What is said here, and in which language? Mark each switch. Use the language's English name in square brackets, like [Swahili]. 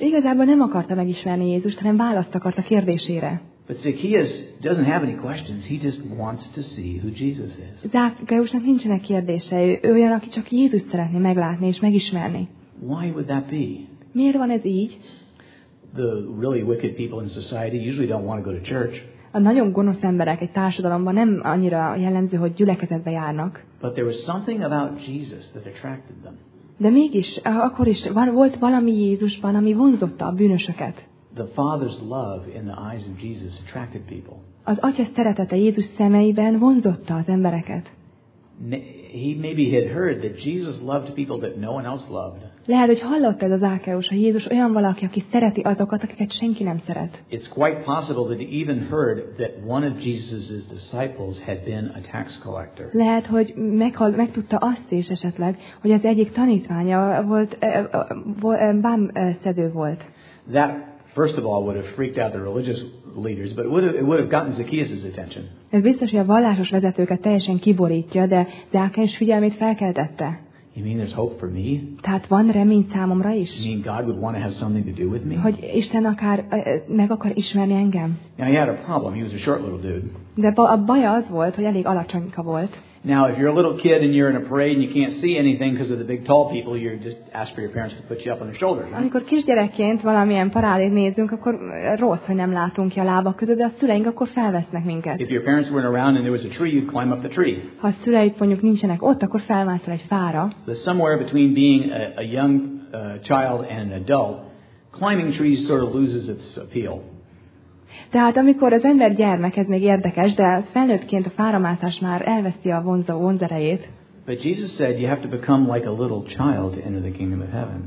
[Hungarian] Igazából nem akarta megismerni Jézust, hanem választ akart a kérdésére. [English] But Zacchaeus doesn't have any questions. He just wants to see who Jesus is. [Hungarian] Zacchaeusnak nincsenek kérdései. Ő olyan, aki csak Jézust szeretné meglátni és megismerni. [English] Why would that be? [Hungarian] Miért van ez így? [English] The really wicked people in society usually don't want to go to church. [Hungarian] A nagyon gonosz emberek egy társadalomban nem annyira jellemző, hogy gyülekezetbe járnak. [English] But there was something about Jesus that attracted them. [Hungarian] De mégis akkor is volt valami Jézusban, ami vonzotta a bűnösöket. [English] The Father's love in the eyes of Jesus attracted people. [Hungarian] Az Atya szeretete Jézus szemeiben vonzotta az embereket. [English] He maybe had heard that Jesus loved people that no one else loved. [Hungarian] Lehet, hogy hallott ez az Zákeus, hogy Jézus olyan valaki, aki szereti azokat, akiket senki nem szeret. [English] It's quite possible that he even heard that one of Jesus's disciples had been a tax collector. [Hungarian] Lehet, hogy megtudta azt is esetleg, hogy az egyik tanítványa volt bámszedő volt. [English] That first of all would have freaked out the religious leaders, but it would have gotten Zacchaeus's attention. [Hungarian] Ez biztos, hogy a vallásos vezetőket teljesen kiborítja, de Zákeus figyelmét felkeltette. [English] You mean there's hope for me? [Hungarian] Tehát van remény számomra is. [English] You mean God would want to have something to do with me? [Hungarian] Hogy Isten akár meg akar ismerni engem. [English] Now he had a problem. He was a short little dude. [Hungarian] De a baj az volt, hogy elég alacsonyka volt. [English] Now if you're a little kid and you're in a parade and you can't see anything because of the big tall people, you just ask for your parents to put you up on their shoulders. Right? [Hungarian] Amikor kisgyerekként valamilyen parádét nézünk, akkor rossz, hogy nem látunk ki a lábak között, de a szüleink akkor felvesznek minket. [English] If your parents weren't around and there was a tree, you'd climb up the tree. [Hungarian] Ha a szüleid mondjuk nincsenek ott, akkor felmászol egy fára. [English] But somewhere between being a young child and an adult, climbing trees sort of loses its appeal. [Hungarian] Tehát amikor az ember gyermek, ez még érdekes, de felnőttként a fáramászás már elveszti a vonzerejét. [English] But Jesus said you have to become like a little child to enter the kingdom of heaven.